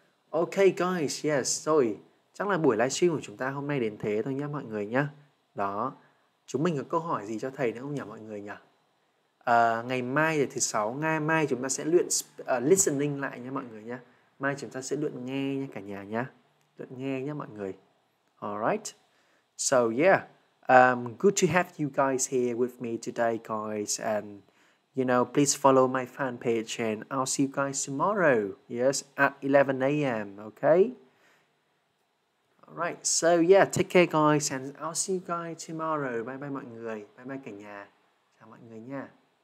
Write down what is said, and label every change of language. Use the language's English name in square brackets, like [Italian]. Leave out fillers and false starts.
[English] Ok guys, yes, [Vietnamese] rồi. Chắc là buổi livestream của chúng ta hôm nay đến thế thôi nhá mọi người nhá. Đó. Chúng mình có câu hỏi gì cho thầy nữa không nhỉ mọi người nhỉ? Ngày mai thì thứ 6, ngày mai chúng ta sẽ luyện listening lại nhá mọi người nhá. Mai chúng ta sẽ luyện nghe nhá cả nhà nhá. Luyện nghe nhá mọi người. [English] Alright. So yeah. Good to have you guys here with me today, guys. And, you know, please follow my fan page and I'll see you guys tomorrow. Yes, at 11 a.m, okay? All right, so yeah, take care, guys. And I'll see you guys tomorrow. Bye-bye, [Vietnamese] mọi người. [English] Bye-bye, [Vietnamese] cả nhà. Chào mọi người nha.